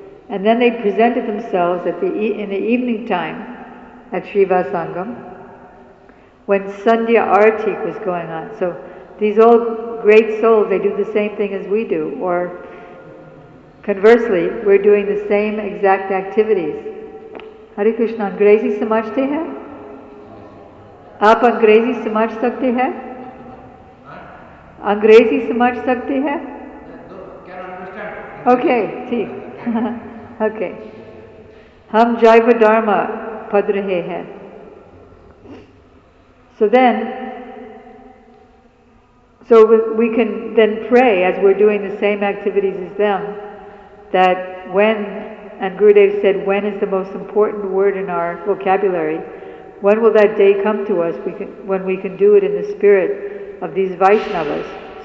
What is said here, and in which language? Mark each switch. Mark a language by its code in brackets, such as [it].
[en] And then they presented themselves at in the evening time at Shiva Sangam, when Sandhya Arati was going on. So these old great souls, they do the same thing as we do. Or conversely, we're doing the same exact activities. [hi] हरे कृष्ण, अंग्रेज़ी समझते है? आप अंग्रेज़ी समझ सकते है? अंग्रेज़ी समझ सकते है? ओके, ठीक. [en] Okay. [hi] हम जैव धर्म पढ़ रहे है. [en] So we can then pray as we're doing the same activities as them, that when, and Gurudev said, when is the most important word in our vocabulary? When will that day come to us when we can do it in the spirit of these Vaishnavas?